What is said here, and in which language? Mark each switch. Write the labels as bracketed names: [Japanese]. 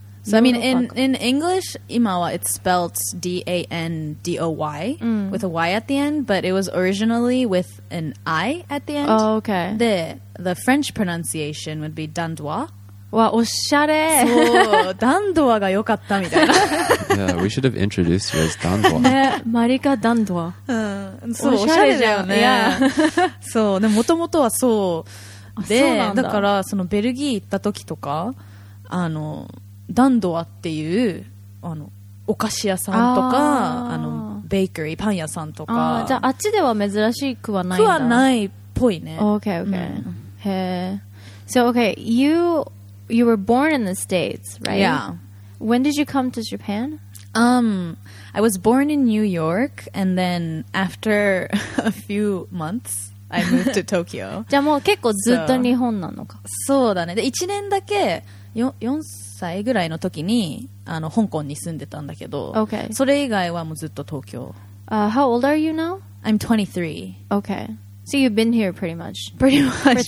[English] So I mean, in English, 今は it's spelled D-A-N-D-O-Y with a Y at the end, but it was originally with an I at the end. Oh, okay. The French pronunciation would be Dandois. [Japanese] Wow, おしゃれ。そう、Dandoisが良かったみたいな。 [English] Yeah, we should have introduced you as Dandois. [Japanese] ね、マリカ・ダンドワ。そう、おしゃれじゃんね。 [English] Yeah. [Japanese] そう、でも元々はそう。で、そうなんだ。だから、そのベルギー行った時とか、あの、ダンドアっていうあのお菓子屋さんとか、あのベーカリーパン屋さんとか、あ、じゃああっちでは珍しくはないんだ。くはないっぽいね。 [English] Okay, okay. へえ。 So okay, you were born in the States, right? Yeah. When did you come to Japan? I was born in New York, and then after a few months, I moved to Tokyo. [Japanese] じゃあもう結構ずっと日本なのか。そうだね。で1年だけ4歳歳ぐらいの時にあの香港に住んでたんだけど、 [English] okay. [Japanese] それ以外はもうずっと東京。 [English] How old are you now? I'm 23. Okay. So you've been here pretty much. Pretty much